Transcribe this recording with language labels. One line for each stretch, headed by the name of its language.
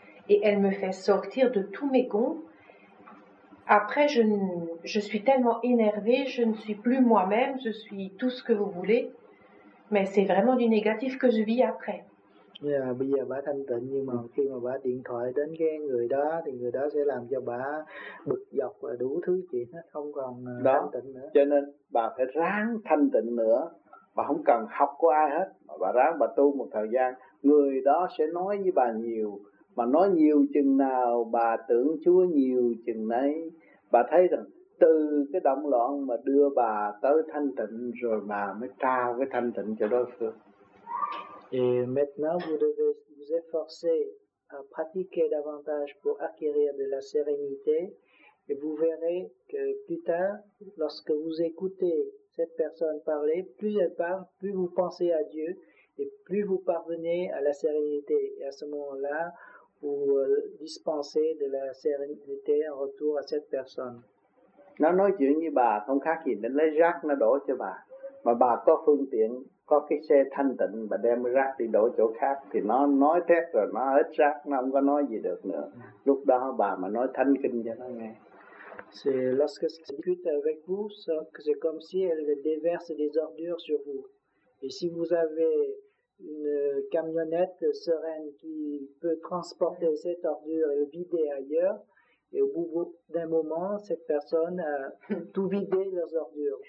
French: Et elle me fait sortir de tous mes gonds. Après, je suis tellement énervée, je ne suis plus moi-même, je suis tout ce que vous voulez. Mais c'est vraiment du négatif que je vis après.
Vietnamese: Yeah, bây giờ bà thanh tịnh nhưng mà khi mà bà điện thoại đến cái người đó thì người đó sẽ làm cho bà bực dọc và đủ thứ chuyện hết, không còn đó, thanh tịnh nữa. Cho nên bà phải ráng thanh tịnh nữa. Bà không cần học của ai hết, mà bà ráng bà tu một thời gian, người đó sẽ nói với bà nhiều. Mà nói nhiều chừng nào bà tưởng Chúa nhiều chừng nấy. Bà thấy rằng từ cái động loạn mà đưa bà tới thanh tịnh rồi mà mới trao cái thanh tịnh cho đối phương.
French: Et maintenant, vous devez vous efforcer à pratiquer davantage pour acquérir de la sérénité. Et vous verrez que plus tard, lorsque vous écoutez cette personne parler, plus elle parle, plus vous pensez à Dieu et plus vous parvenez à la sérénité. Et à ce moment-là, vous dispensez de la sérénité en retour à cette personne.
Vietnamese: Nó nói chuyện như bà, không khác gì đến lấy rác nó đổ cho bà. Mà bà có phương tiện, có cái xe thanh tịnh, bà đem rác đi đổ chỗ khác, thì nó nói thét rồi, nó hết rác, nó không có nói gì được nữa. Lúc đó bà mà nói thánh kinh cho nó nghe.
French: C'est lorsque elle discute avec vous, c'est comme si elle déverse des ordures sur vous. Et si vous avez une camionnette sereine qui peut transporter cette ordure et le vider ailleurs, et au bout d'un moment, cette personne a tout vidé leurs ordures.